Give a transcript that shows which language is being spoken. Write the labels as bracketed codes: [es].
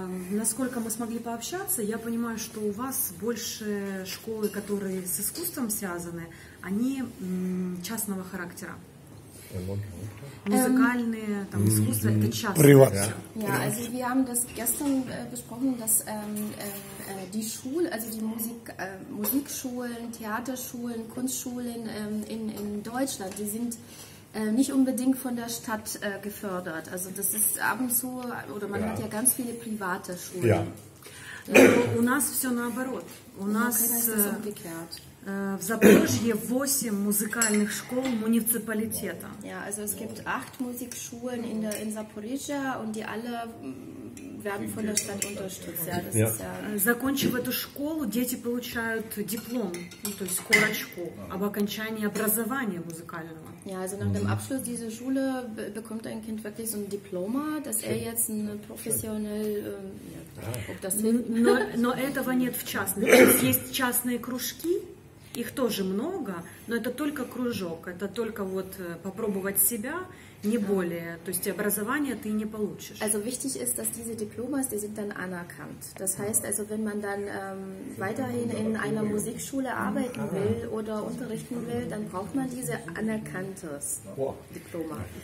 [ru] Насколько мы смогли пообщаться, я понимаю, что у вас больше школы, которые с искусством связаны, они частного характера. Музыкальные, там, искусство, это частное. Приват. [de] Ja, also wir haben das gestern besprochen, dass die Schule, also die Musikschulen, Theaterschulen, Kunstschulen in Deutschland, die sind nicht unbedingt von der Stadt gefördert. Also das ist ab und zu, oder man hat ja ganz viele private Schulen. Ja. [ru] У нас все наоборот. У нас в Запорожье 8 музыкальных школ муниципалитета. [de] Ja, also es gibt 8 Musikschulen in Zaporizhzhia und die alle werden von der Stadt unterstützt. Ja, das ist [ru] Закончив эту школу, дети получают диплом, ну, то есть корочку об окончании образования музыкального. [de] Ja, also nach dem Abschluss dieser Schule bekommt ein Kind wirklich so ein Diploma, dass er jetzt ein professionell, ob das [ru] но этого нет в частных. Есть частные кружки, их тоже много, но это только кружок, это только вот попробовать себя, не более. То есть образование ты не получишь. [de] Also wichtig ist, dass diese Diplomas, die sind dann anerkannt. Das heißt, also wenn man dann weiterhin in einer Musikschule arbeiten will oder unterrichten will, dann braucht man diese anerkanntes Diploma.